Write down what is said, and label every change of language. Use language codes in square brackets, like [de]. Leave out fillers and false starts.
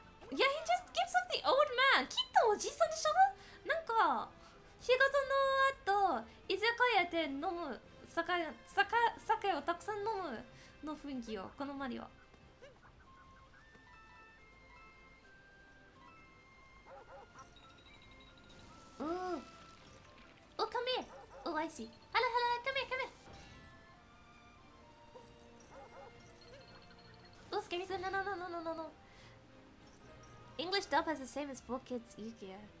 [en] Yeah, he just gives off the old man. [ja] きっとおじいさんでしょ?なんか、仕事の後、居酒屋で飲む、酒をたくさん飲むの雰囲気よ、このマリオ。おぉ。お、カメ!お、アイシー。ハロハロ、カメ、カメ! お、スケミさん、ノ。 [en] English dub has the same as 4Kids Yu-Gi-Oh.